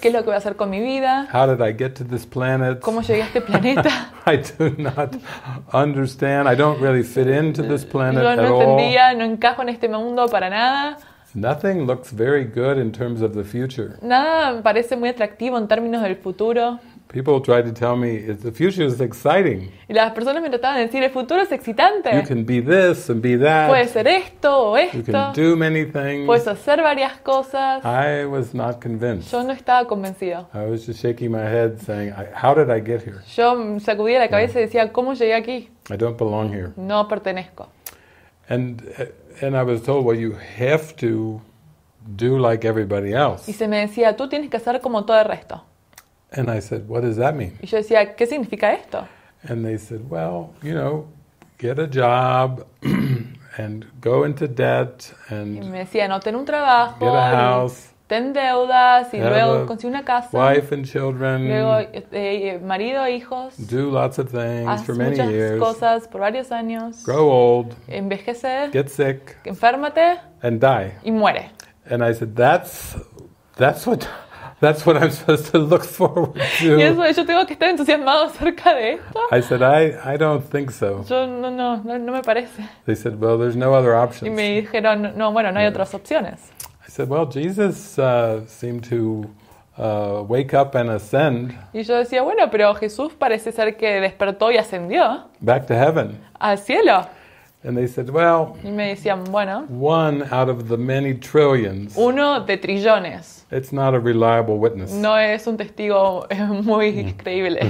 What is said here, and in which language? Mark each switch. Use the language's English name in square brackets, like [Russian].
[Spanish] ¿Qué es lo que voy a hacer con mi vida? [English] How did I get to this planet? [Spanish] ¿Cómo llegué a este planeta? [English] I do not understand. I don't really fit into this planet at [Spanish] Yo no entendía, no encajo en este mundo para nada. [English] Nothing looks very good in terms of the future. [Spanish] Nada parece muy atractivo en términos del futuro. [English] People try to tell me the future is exciting. [Spanish] Y las personas me trataban de decir el futuro es excitante. [English] You can be this and be that. [Spanish] Puedes ser esto o esto. [English] You can do many things. [Spanish] Puedes hacer varias cosas. [English] I was not convinced. [Spanish] Yo no estaba convencido. [English] I was just shaking my head, saying, "How did I get here?" [Spanish] Yo sacudía la cabeza y decía, ¿cómo llegué aquí? [English] I don't belong here. [Spanish] No pertenezco. [English] And I was told, well, you have to do like everybody else. [Spanish] Y se me decía, tú tienes que hacer como todo el resto. [English] And I said, what does that mean? [Spanish] Y yo decía, ¿qué significa esto? [English] And they said, well, you know, get a job and go into debt and [Spanish] y me decían, obtén un trabajo, [English] get a house, [Spanish] ten deudas y luego consigue una casa. [English] Wife and children. [Spanish] Luego marido e hijos. [English] Do lots of things [Spanish] haz [English] for many [Spanish] muchas [English] years. [Spanish] Cosas por varios años. [English] Grow old. [Spanish] Envejecer. [English] Get sick. [Spanish] Enférmate. [English] And die. [Spanish] Y muere. [English] And I said that's what I'm supposed to look forward to. [Spanish] Y eso yo tengo que estar entusiasmado acerca de esto. [English] I said I don't think so. [Spanish] Yo no me parece. [English] They said well there's no other options. [Spanish] Y me dijeron no bueno no hay otras opciones. [English] I said, well, Jesus seemed to wake up and ascend. [Spanish] Y yo decía, bueno, pero Jesús parece ser que despertó y ascendió. [English] Back to heaven. [Spanish] Al cielo. [English] And they said, well, [Spanish] y me decían, bueno, [English] one out of the many trillions. [Spanish] Uno de trillones. [English] It's not a reliable witness. [Spanish] No es un testigo muy creíble.